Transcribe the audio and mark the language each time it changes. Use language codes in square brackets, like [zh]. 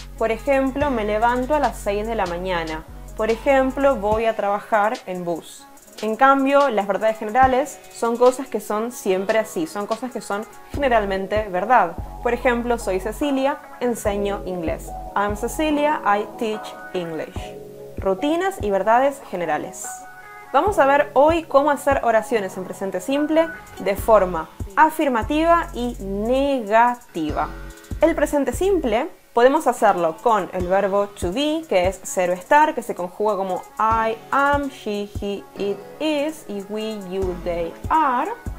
[es] Por ejemplo, me levanto a las 6 de la mañana. Por ejemplo, voy a trabajar en bus. En cambio, las verdades generales son cosas que son siempre así, son cosas que son generalmente verdad. Por ejemplo, soy Cecilia, enseño inglés. [en] I'm Cecilia, I teach English. [es] Rutinas y verdades generales. Vamos a ver hoy cómo hacer oraciones en presente simple de forma afirmativa y negativa. El presente simple podemos hacerlo con el verbo to be, que es ser o estar, que se conjuga como [en] I am, she, he, it, is, [es] y [en] we, you, they, are.